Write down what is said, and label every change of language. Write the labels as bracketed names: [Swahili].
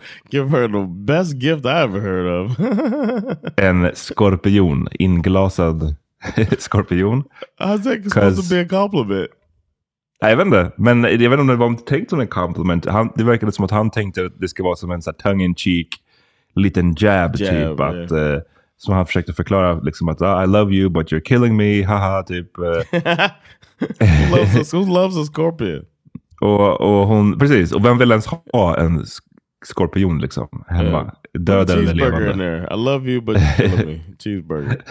[English] give her the best gift I ever heard of. [Swedish] En skorpion, inglasad skorpion. [English] I think it's supposed to be a compliment. [Swedish] Jag vet inte, men jag vet inte om det var tänkt som en compliment. Det verkade som att han tänkte att det ska vara som en sån [English] tongue in cheek [Swedish] liten jab typ, att som han försökte förklara liksom att [English] I love you but you're killing me, haha, [Swedish] typ [English] who loves a scorpion, [Swedish] och hon, precis, och vem vill ens ha en skorpion liksom hemma, döda eller levande. [English] Cheeseburger in there, I love you but you're killing me, cheeseburger.